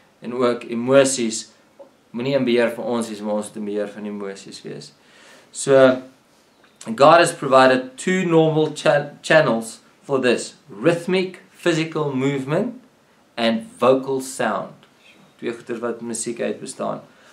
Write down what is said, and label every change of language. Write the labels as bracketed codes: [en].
[af] En ook emoties moenie in beheer van ons is, maar ons moet in beheer van emoties wees. [en] So God has provided two normal channels for this: rhythmic physical movement and vocal sound. [af] Twee goeters wat musiek uit bestaan.